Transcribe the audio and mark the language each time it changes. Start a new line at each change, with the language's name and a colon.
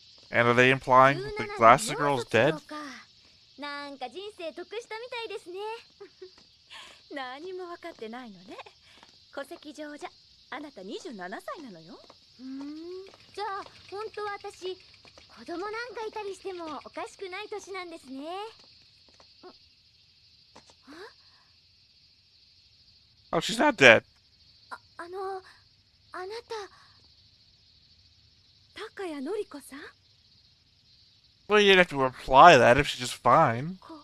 English: And are they implying that the glasses girl's dead?
Japanese: なんか人生得したみたいですね。何も分かってないのね。戸籍上じゃあなた27歳なのよ。じゃあ本当は私子供なんかいたりしてもおかしくない年なんですね。
English: Oh, she's not dead.
Japanese: あなた高谷のり子さん。
English: Well, you'd have to reply that if she's just fine.